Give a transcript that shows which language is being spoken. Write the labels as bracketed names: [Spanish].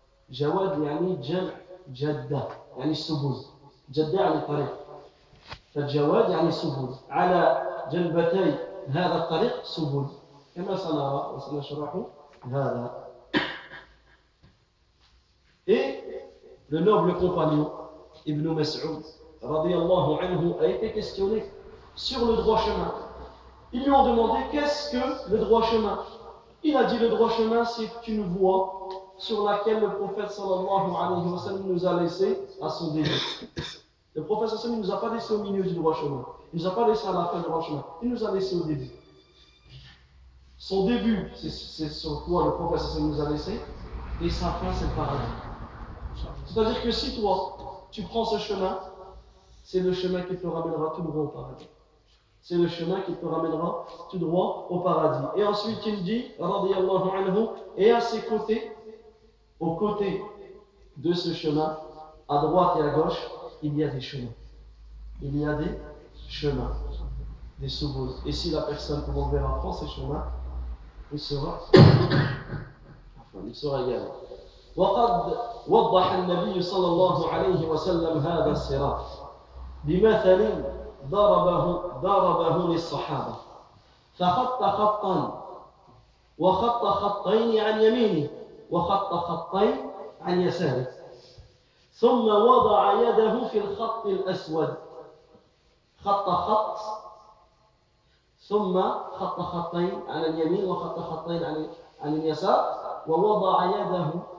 [Arabic] جواد يعني جمع جدة يعني السبوز. جدة يعني الطريق. فالجواد يعني السبوز. على جنبتي هذا الطريق سبوز كما سنرى وسنشرح هذا. [French] Et le noble compagnon Ibn Mas'ud radiyallahu anhu a été questionné sur le droit chemin. Ils lui ont demandé qu'est-ce que le droit chemin. Il a dit le droit chemin, c'est une voie sur laquelle le prophète sallallahu alayhi wa sallam nous a laissé à son début. Le prophète sallallahu alayhi wa sallam ne nous a pas laissé au milieu du droit chemin. Il ne nous a pas laissé à la fin du droit chemin. Il nous a laissé au début. Son début, c'est sur quoi le prophète sallallahu alayhi wa sallam nous a laissé. Et sa fin, c'est le paradis. C'est-à-dire que si toi, tu prends ce chemin, c'est le chemin qui te ramènera tout droit au paradis. C'est le chemin qui te ramènera tout droit au paradis. Et ensuite, il dit, radiyallahu anhu, et à ses côtés, aux côtés de ce chemin, à droite et à gauche, il y a des chemins. Il y a des chemins, des sous-bous. Et si la personne, comme on verra, prend ces chemins, il sera. Il sera également. [Arabic] وقد وضح النبي صلى الله عليه وسلم هذا الصراط بمثل ضربه للصحابة فخط خطا وخط خطين عن يمينه وخط خطين عن يساره ثم وضع يده في الخط الأسود خط خط ثم خط خطين على اليمين وخط خطين عن اليسار ووضع يده